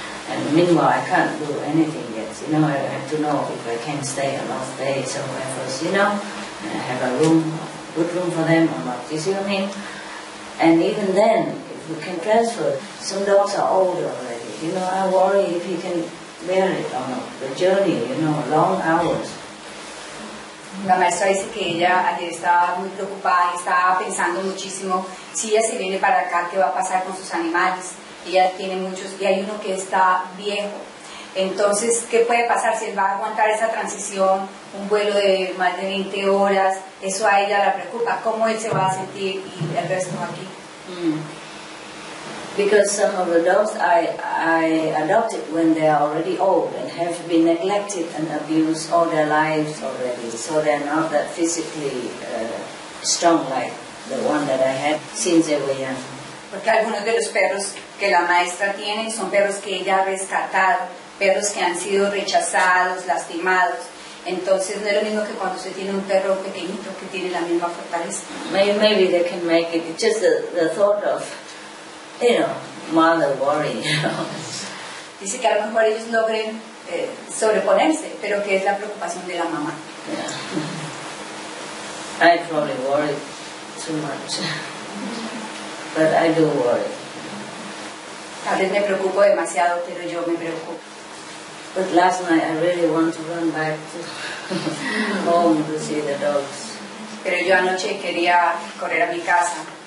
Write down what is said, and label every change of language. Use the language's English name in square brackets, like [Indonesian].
[English] And meanwhile, I can't do anything yet. You know, I have to know if I can stay a long day somewhere else, you know? And I have a room, good room for them or not. You see what I mean? And even then, if we can transfer, some dogs are older already. You know, I worry if he can bear it or not. The journey, you know, long hours. [Spanish] La maestra dice que ella ayer estaba muy preocupada y estaba pensando muchísimo si ella se viene para acá, qué va a pasar con sus animales. Ella tiene muchos y hay uno que está viejo. Entonces, ¿qué puede pasar si él va a aguantar esa transición, un vuelo de más de 20 horas? Eso a ella la preocupa. ¿Cómo él se va a sentir y el resto aquí? Mm. [English] Because some of the dogs I adopted when they are already old and have been neglected and abused all their lives already. So they're not that physically strong like the one that I had since they were young. [Spanish] Porque algunos de los perros que la maestra tiene son perros que ella ha rescatado, perros que han sido rechazados, lastimados. Entonces no es lo mismo que cuando se tiene un perro pequeñito que tiene la misma fortaleza. [English] Maybe they can make it. It's just the thought of, you know, mother worry, you know. [Spanish] Dice que a lo mejor ellos logren sobreponerse, pero que es la preocupación de la mamá. [English] Yeah. I probably worry too much. But I do worry. [Spanish] Tal vez me preocupo demasiado, pero yo me preocupo. [English] But last night I really want to run back to home to see the dogs. [Spanish] Pero yo anoche quería correr a mi casa.